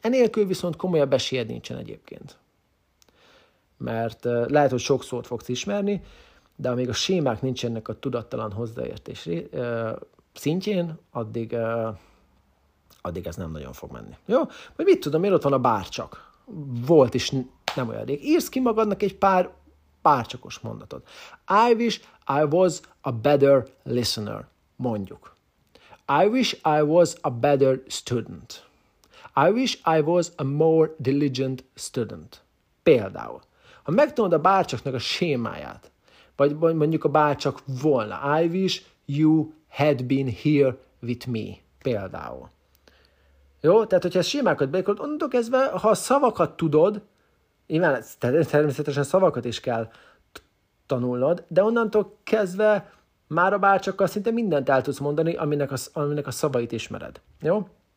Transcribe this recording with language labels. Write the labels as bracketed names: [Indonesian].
[Hungarian] Enélkül viszont komolyabb esélyed nincsen egyébként. Mert lehet, hogy sok szót fogsz ismerni, de amíg a sémák nincsenek a tudattalan hozzáértés szintjén, addig ez nem nagyon fog menni. Jó? Vagy mit tudom, miért ott van a bárcsak? Volt is nem olyan rég. Írsz ki magadnak egy pár bárcsakos mondatot. [English] I wish I was a better listener. Mondjuk. I wish I was a better student. I wish I was a more diligent student. [Hungarian] Például. Ha megtanod a bárcsaknak a sémáját, vagy mondjuk a bárcsak volna, [English] I wish you had been here with me, [Hungarian] például. Jó? Tehát, hogyha sémákat beikod, onnantól kezdve, ha a szavakat tudod, nyilván természetesen szavakat is kell tanulnod, de onnantól kezdve már a bárcsakkal szinte mindent el tudsz mondani, aminek a szavait ismered. Jó?